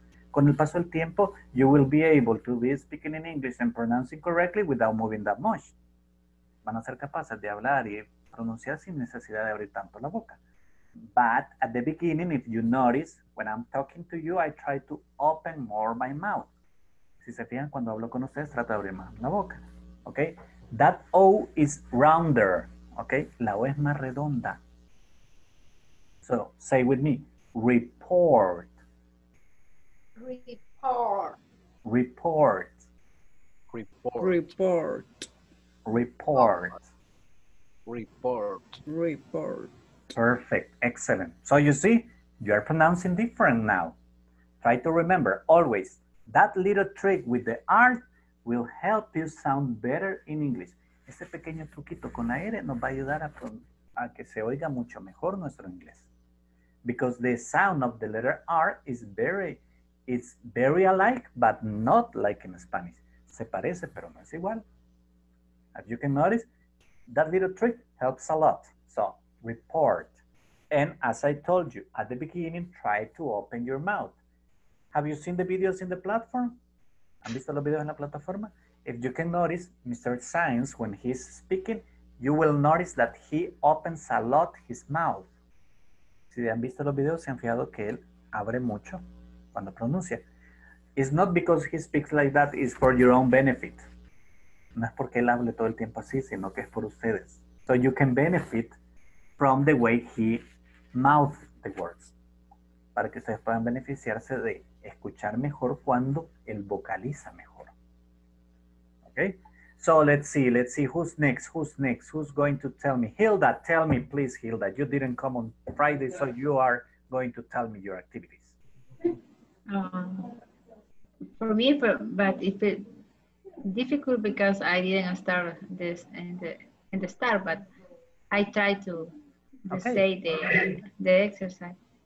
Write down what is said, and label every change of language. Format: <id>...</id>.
<es>Con el paso del tiempo,</es> <en>you will be able to be speaking in English and pronouncing correctly without moving that much.</en> <es>Van a ser capaces de hablar y pronunciar sin necesidad de abrir tanto la boca.</es> <en>But at the beginning, if you notice, when I'm talking to you, I try to open more my mouth.</en> <es>Si se fijan, cuando hablo con ustedes, trato de abrir más la boca.</es> <en>Okay? That O is rounder. Okay?</en> <es>La O es más redonda.</es> <en>So, say with me. Report. Report. Report. Report. Report. Report. Report. Perfect. Excellent. So you see, you are pronouncing different now. Try to remember always that little trick with the R will help you sound better in English.</en> <es>Ese pequeño truquito con la R nos va a ayudar a que se oiga mucho mejor nuestro inglés.</es> <en>Because the sound of the letter R is very, it's very alike, but not like in Spanish.</en> <es>Se parece, pero no es igual.</es> <en>As you can notice, that little trick helps a lot. So, report. And as I told you, at the beginning, try to open your mouth. Have you seen the videos in the platform?</en> <es>¿Han visto los videos en la plataforma?</es> <en>If you can notice, Mr. Science, when he's speaking, you will notice that he opens a lot his mouth.</en> <es>Si han visto los videos, se han fijado que él abre mucho cuando pronuncia.</es> <en>It's not because he speaks like that, it's for your own benefit.</en> <es>No es porque él hable todo el tiempo así, sino que es por ustedes.</es> <en>So you can benefit from the way he mouths the words.</en> <es>Para que ustedes puedan beneficiarse de escuchar mejor cuando él vocaliza mejor.</es> <en>Okay? So let's see, who's next, who's next, who's going to tell me, please, Hilda, you didn't come on Friday, so you are going to tell me your activities. For me, but if it's difficult because I didn't start this in the start, but I try to say the exercise.</en>